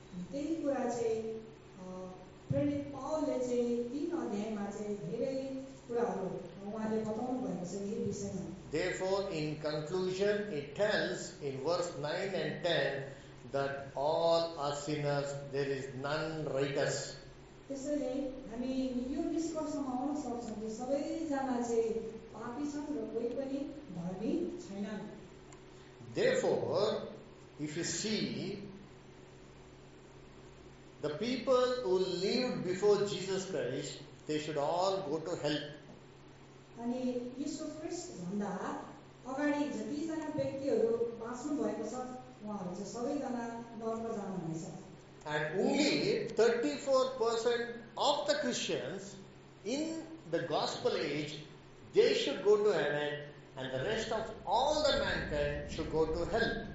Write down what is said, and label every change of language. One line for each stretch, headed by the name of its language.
English: Therefore, in conclusion, it tells in verse 9 and 10 that all are sinners, there is none righteous.
Nepali: त्यसैले हामी यो निष्कर्षमा आउन सक्छौँ कि सबैजना चाहिँ पापी छन् र कोही पनि धर्मी छैन।
English: Therefore, if you see the people who lived before Jesus Christ, they should all go to hell.
Nepali: अनि यीशु ख्रीष्ट भन्दा अगाडि जतिजना व्यक्तिहरू बाँच्नु भएको छ उहाँहरू चाहिँ सबैजना नर्क जानुहुनेछ।
English: And only 34% of the Christians in the gospel age, they should go to heaven, and the rest of all the mankind should go to hell.